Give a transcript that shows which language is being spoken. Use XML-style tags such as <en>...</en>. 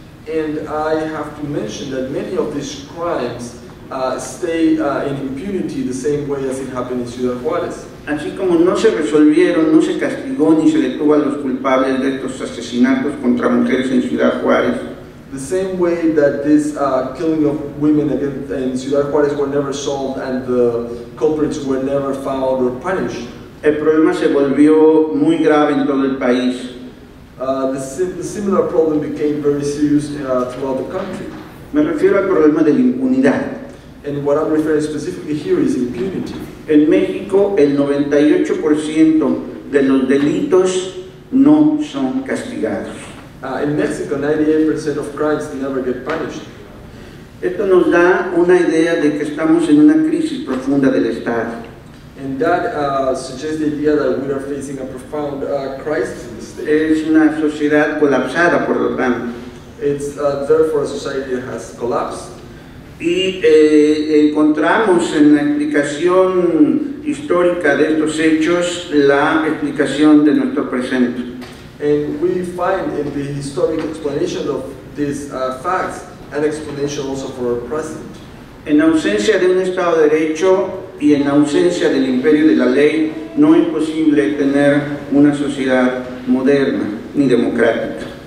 <en>And I have to mention that many of these crimes stay in impunity the same way as it happened in Ciudad Juárez.</en> <es>Así como no se resolvieron, no se castigó ni se detuvo a los culpables de estos asesinatos contra mujeres en Ciudad Juárez.</es> <en>The same way that this killing of women in Ciudad Juárez were never solved and the culprits were never found or punished.</en> <es>El problema se volvió muy grave en todo el país.</es> <en>The similar problem became very serious throughout the country.</en> <es>Me refiero al problema de la impunidad.</es> <en>And what I'm referring specifically here is impunity.</en> <es>En México, el 98% de los delitos no son castigados.</es> <en>In Mexico, 98% of crimes never get punished.</en> <es>Esto nos da una idea de que estamos en una crisis profunda del Estado.</es> <en>And that suggests the idea that we are facing a profound crisis in the state.</en> <es>Es una sociedad colapsada, por lo tanto.</es> <en>It's therefore a society that has collapsed.</en> <es>Y encontramos en la explicación histórica de estos hechos la explicación de nuestro presente.</es> <en>And we find in the historic explanation of these facts an explanation also for our present.</en> <es>En ausencia de un Estado de Derecho y en ausencia del imperio de la ley, no es posible tener una sociedad moderna ni democrática.</es>